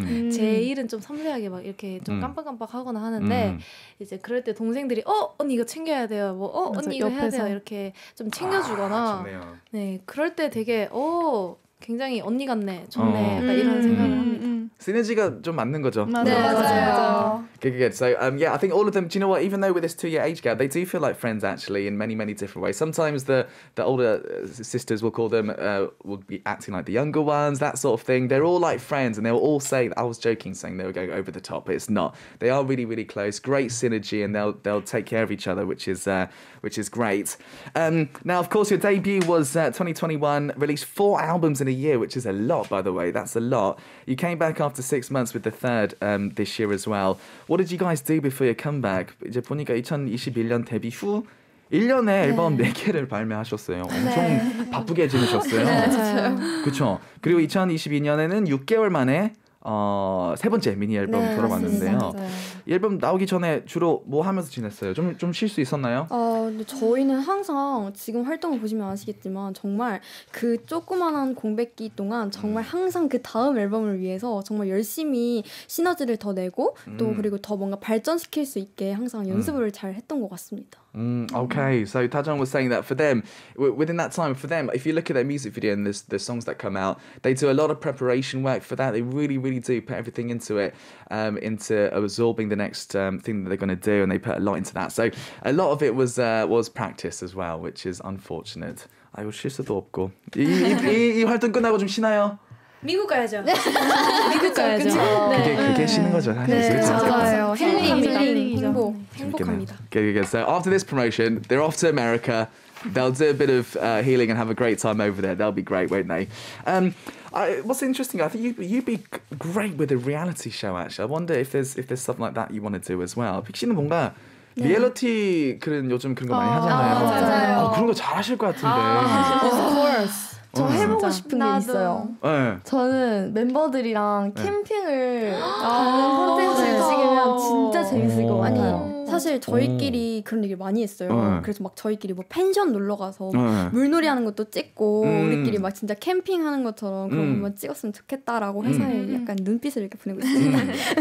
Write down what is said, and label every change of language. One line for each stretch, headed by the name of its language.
Korean: 제 일은 좀 섬세하게 막 이렇게 좀 깜빡깜빡하거나 하는데 이제 그럴 때 동생들이 언니 이거 챙겨야 돼요. 뭐 언니 이거 해야 돼요. 이렇게 좀 챙겨주거나 아, 네 그럴 때 되게 굉장히 언니 같네 좋네 약간 이런 생각을 합니다. 시너지가 좀 맞는 거죠. 맞아요. 네, 맞아요. 맞아요.
English: Good, good, good. So, yeah, I think all of them, do you know what, even though with this two-year age gap, they do feel like friends, actually, in many, many different ways. Sometimes the older sisters, we'll call them, will be acting like the younger ones, that sort of thing. They're all like friends, and they'll all say, I was joking, saying they were going over the top. It's not. They are really, really close. Great synergy, and they'll take care of each other, which is great. Now, of course, your debut was 2021, released 4 albums in a year, which is a lot, by the way. That's a lot. You came back after 6 months with the third this year as well. What did you guys do before your comeback?
Korean: 이제 보니까 2021년 데뷔 후 1년에 앨범 네 개를 발매하셨어요. 엄청 네. 바쁘게 지내셨어요. 네. 그렇죠. 그리고 2022년에는 6개월 만에 세 번째 미니 앨범 네, 돌아봤는데요. 이 앨범 나오기 전에 주로 뭐 하면서 지냈어요? 좀 쉴 수 있었나요? 저희는 항상 지금 활동을 보시면 아시겠지만 정말 그 조그만한 공백기 동안 정말 항상 그 다음 앨범을 위해서 정말 열심히 시너지를 더 내고 또 그리고 더 뭔가 발전시킬 수 있게 항상 연습을 잘 했던 것 같습니다.
English: Okay, so Tajong was saying that for them, within that time, for them, if you look at their music video and the songs that come out, they do a lot of preparation work for that. They really, really do put everything into it, into absorbing the next thing that they're going to do, and they put a lot into that. So a lot of it was practice as well, which is unfortunate.
Korean: 아이고, 쉴 수도 없고. 이 활동 끝나고 좀 쉬나요? 미국 가야죠. 미국 가야죠. 네. 그게 쉬는 거죠. 네, 맞아요. 힐링, 힐링, 행복합니다.
English: So after this promotion, they're off to America. They'll do a bit of healing and have a great time over there. They'll be great, won't they? What's interesting, I think you'd be great with a reality show, actually. I wonder if there's something like that you want to do as well.
Korean: 픽시는 뭔가 네. 리얼리티 그런 요즘 그런 거 많이 하잖아요. 맞아요. 그런 거 잘하실 것 같은데.
English: Of course.
Korean: 저 해보고 진짜? 싶은 게 나도. 있어요. 네. 저는 멤버들이랑 캠핑을 가는 콘텐츠를 찍으면 진짜 재밌을 것 같아요. 사실 저희끼리 그런 얘기를 많이 했어요. 그래서 막 저희끼리 뭐 펜션 놀러 가서 물놀이 하는 것도 찍고 우리끼리 막 진짜 캠핑하는 것처럼 그런 것만 찍었으면 좋겠다라고 회사에 약간 눈빛을 이렇게 보내고 있습니다.